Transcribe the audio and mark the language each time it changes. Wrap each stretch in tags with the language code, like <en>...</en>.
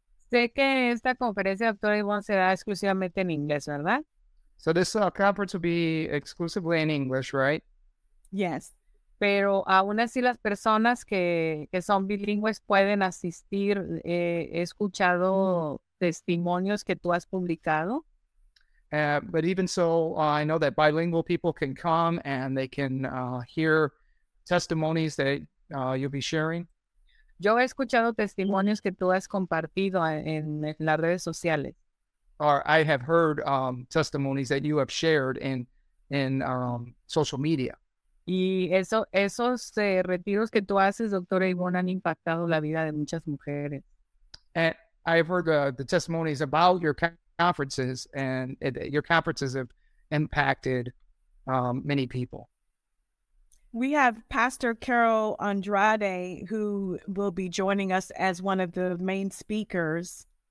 <es>Sé que esta conferencia, Dr. Yvonne, será exclusivamente en inglés, ¿verdad?</es> <en>So this conference will be exclusively in English, right? Yes.</en> <es>Pero aún así las personas que son bilingües pueden asistir. He escuchado testimonios que tú has publicado.</es> <en>But even so, I know that bilingual people can come and they can hear testimonies that you'll be sharing.</en> <es>Yo he escuchado testimonios que tú has compartido en las redes sociales.</es> <en>Or I have heard testimonies that you have shared in our social media.</en> <es>Y esos retiros que tú haces, doctora Yvonne, han impactado la vida de muchas mujeres.</es> <en>And I've heard the testimonies about your conferences, and your conferences have impacted many people. We have Pastor Carol Andrade, who will be joining us as one of the main speakers.</en>